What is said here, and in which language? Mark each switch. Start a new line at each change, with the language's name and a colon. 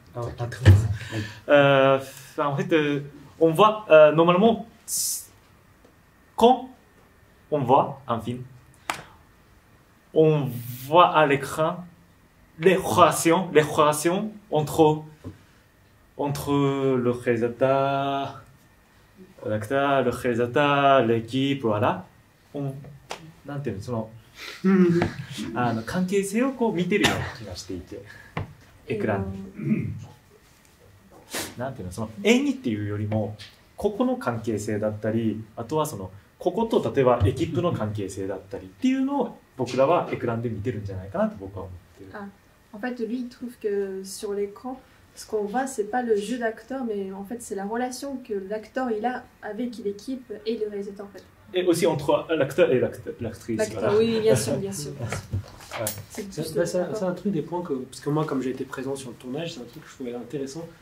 French: En fait, on voit normalement quand on voit un film, on voit à l'écran les relations entre le réalisateur, l'acteur, le réalisateur, l'équipe, voilà.
Japanese: あの関係性をこう見てるような気がしていて、エクランなんていうの、その演技っていうよりもここの関係性だったり、あとはそのここと例えばエキップの関係性だったりっていうのを僕らはエクランで見てるんじゃないかなと僕は思ってる。あ、
French: en fait lui il trouve que sur l'écran ce qu'on voit c'est pas le jeu d'acteur mais en fait c'est la relation que l'acteur il a avec l'équipe et le réalisateur en fait。 Et aussi entre l'acteur et l'actrice. L'acteur, Oui, bien sûr, bien sûr. C'est un truc des points que. Parce que moi, comme j'ai été présent sur le tournage, c'est un truc que je trouvais intéressant.